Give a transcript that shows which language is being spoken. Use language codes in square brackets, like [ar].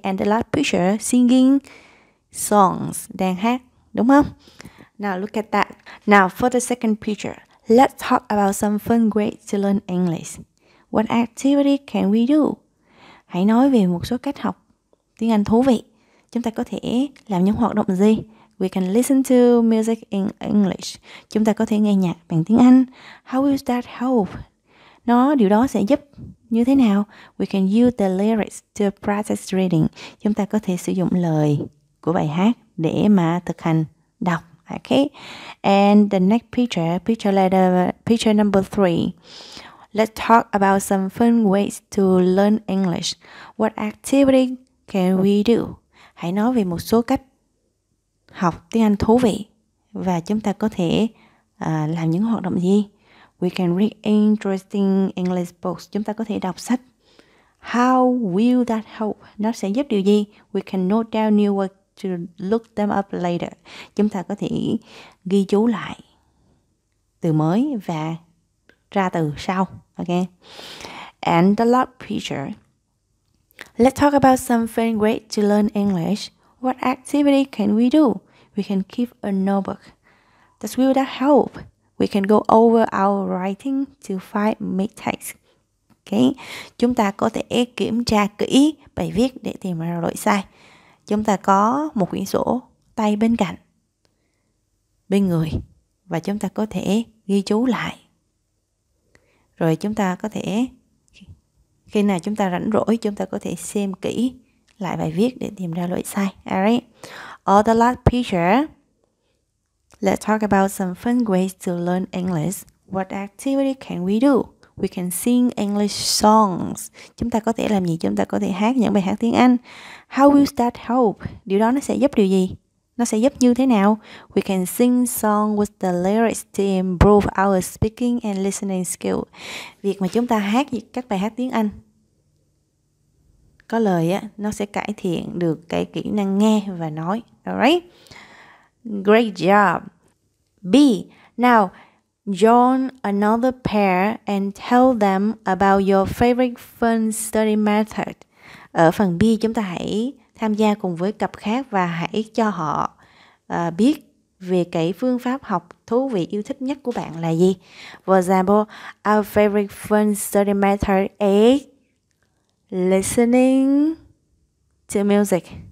[en] And the last picture, singing songs, [vi] đang hát, đúng không? [en] Now look at that. Now for the second picture, let's talk about some fun ways to learn English. What activity can we do? [vi] Hãy nói về một số cách học tiếng Anh thú vị. Chúng ta có thể làm những hoạt động gì? [en] We can listen to music in English. [vi] Chúng ta có thể nghe nhạc bằng tiếng Anh. [en] How will that help? [vi] Điều đó sẽ giúp như thế nào? [en] We can use the lyrics to practice reading. [vi] Chúng ta có thể sử dụng lời của bài hát để mà thực hành đọc. [en] Okay. And the next picture number 3. Let's talk about some fun ways to learn English. What activity can we do? [vi] Hãy nói về một số cách học tiếng Anh thú vị và chúng ta có thể làm những hoạt động gì? [en] We can read interesting English books. [vi] Chúng ta có thể đọc sách. [en] How will that help? [vi] Nó sẽ giúp điều gì? [en] We can note down new words to look them up later. [vi] Chúng ta có thể ghi chú lại từ mới và ra từ sau. [en] Okay. And the last picture. Let's talk about some fun ways to learn English. What activity can we do? We can keep a notebook. Does will that help? We can go over our writing to find mistakes. Okay. [vi] Chúng ta có thể kiểm tra kỹ bài viết để tìm ra lỗi sai. Chúng ta có một quyển sổ tay bên cạnh, bên người, và chúng ta có thể ghi chú lại. Rồi chúng ta có thể, khi nào chúng ta rảnh rỗi, chúng ta có thể xem kỹ lại bài viết để tìm ra lỗi sai. [en] Alright. All the last picture, let's talk about some fun ways to learn English. What activity can we do? We can sing English songs. [vi] Chúng ta có thể làm gì? Chúng ta có thể hát những bài hát tiếng Anh. [en] How will that help? [vi] Điều đó nó sẽ giúp điều gì? Nó sẽ giúp như thế nào? [en] We can sing song with the lyrics to improve our speaking and listening skill. [vi] Việc mà chúng ta hát các bài hát tiếng Anh có lời á, nó sẽ cải thiện được cái kỹ năng nghe và nói. [en] Alright? Great job. B. Now, join another pair and tell them about your favorite fun study method. [vi] Ở phần B, chúng ta hãy tham gia cùng với cặp khác và hãy cho họ biết về cái phương pháp học thú vị yêu thích nhất của bạn là gì. [en] For example, our favorite fun study method is listening to music.